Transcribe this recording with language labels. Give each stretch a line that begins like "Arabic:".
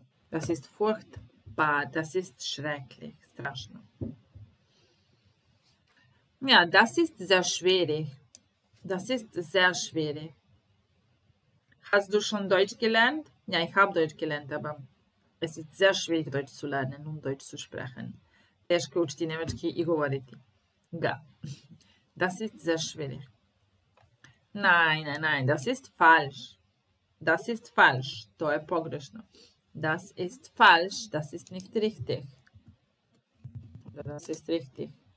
German: Das ist furchtbar. Das ist schrecklich. Strašno. Ja, das ist sehr schwierig. Das ist sehr schwierig. Hast du schon Deutsch gelernt? Ja, ich habe Deutsch gelernt, aber es ist sehr schwierig, Deutsch zu lernen und Deutsch zu sprechen.
Serbian: Teško učiti nemački i govoriti. Da.
German: Das ist sehr schwierig. Nein, nein, nein, das ist falsch. Das ist falsch.
Serbian: To je pogrešno.
German: Das ist falsch. Das ist nicht richtig. Das ist richtig.